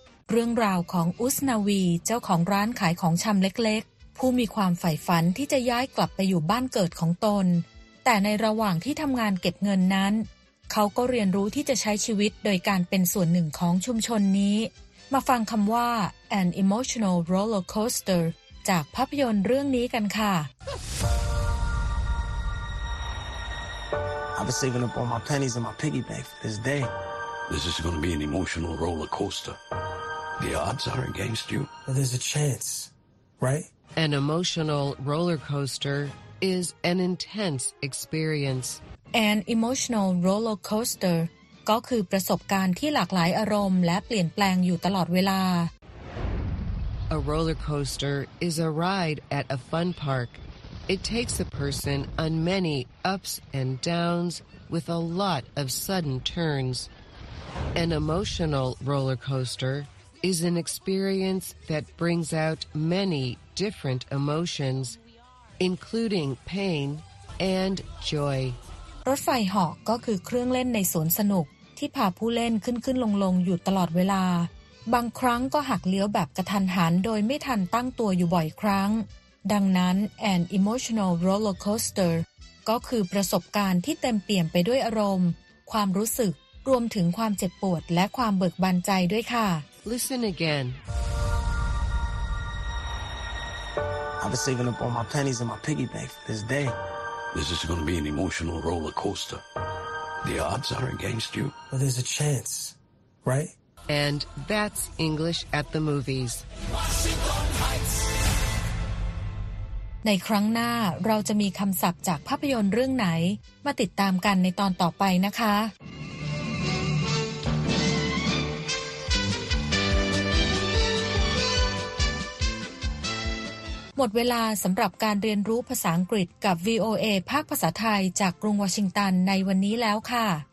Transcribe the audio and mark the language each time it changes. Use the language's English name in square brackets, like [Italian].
[Thai] เรื่องราวของอุสนาวีเจ้าของร้านขายของชำเล็กๆผู้มีความใฝ่ฝันที่จะย้ายกลับไปอยู่บ้านเกิดของตนแต่ในระหว่างที่ทำงานเก็บเงินนั้นเขาก็เรียนรู้ที่จะใช้ชีวิตโดยการเป็นส่วนหนึ่งของชุมชนนี้มาฟังคำว่า an emotional roller coaster จากภาพยนตร์เรื่องนี้กันค่ะ [English] I've been saving up all my pennies in my piggy bank for this day. This is going to be an emotional roller coaster. The odds are against you. But there's a chance, right? An emotional roller coaster is an intense experience. [Thai] An emotional roller coaster ก็คือประสบการณ์ที่หลากหลายอารมณ์และเปลี่ยนแปลงอยู่ตลอดเวลา [English] A roller coaster is a ride at a fun park. It takes a person on many ups and downs with a lot of sudden turns. An emotional roller coaster is an experience that brings out many different emotions, including pain and joy. [Thai] รถไฟเหาะก็คือเครื่องเล่นในสวนสนุกที่พาผู้เล่นขึ้นขึ้นลงลงอยู่ตลอดเวลาบางครั้งก็หักเลี้ยวแบบกระทันหันโดยไม่ทันตั้งตัวอยู่บ่อยครั้งดังนั้น an emotional roller coaster ก็คือประสบการณ์ที่เต็มเปี่ยมไปด้วยอารมณ์ความรู้สึกรวมถึงความเจ็บปวดและความเบิกบานใจด้วยค่ะ [English] Listen again I've been saving up all my pennies in my piggy bank for this day This is going to be an emotional roller coaster The odds are against you But there's a chance, right? And that's English at the movies [Thai] ในครั้งหน้าเราจะมีคำศัพท์จากภาพยนตร์เรื่องไหนมาติดตามกันในตอนต่อไปนะคะหมดเวลาสำหรับการเรียนรู้ภาษาอังกฤษกับ VOA ภาคภาษาไทยจากกรุงวอชิงตันในวันนี้แล้วค่ะ